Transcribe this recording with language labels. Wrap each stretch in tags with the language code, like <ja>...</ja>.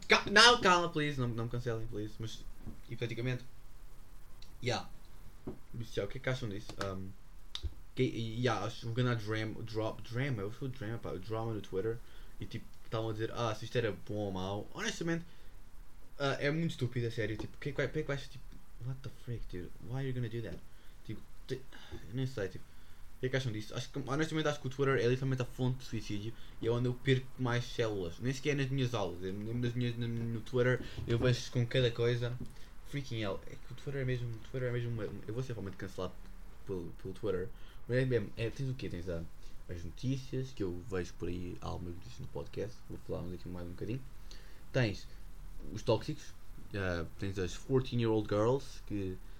<pt>Não, cala,</pt> <en>please,</en> <pt>não me cancelem, please. Mas, hipoteticamente, yeah. Isso, o que é que acham disso?</pt> <en>Yeah,</en> <pt>acho um grande drama, eu acho o drama, pá, drama no Twitter. E tipo, estavam a dizer, ah, se isto era bom ou mau. Honestamente, é muito estúpido, a sério. Tipo, o que é que acham? Tipo,</pt> <en>what the freak, dude, why are you gonna do that?</en> <pt>Tipo, eu nem sei, tipo, o que é que acham disso? Acho que, honestamente, acho que o Twitter é literalmente a fonte de suicídio e é onde eu perco mais células. Nem sequer nas minhas aulas, nem no Twitter eu vejo com cada coisa.</pt> <en>Freaking hell,</en> <pt>é que o Twitter é mesmo. Eu vou ser realmente cancelado pelo Twitter. Mas é tens o quê? Tens as notícias que eu vejo por aí, há algumas notícias no podcast, vou falar aqui mais um bocadinho. Tens os tóxicos, tens as</pt> <en>14-year-old girls</en> <pt>que.</pt>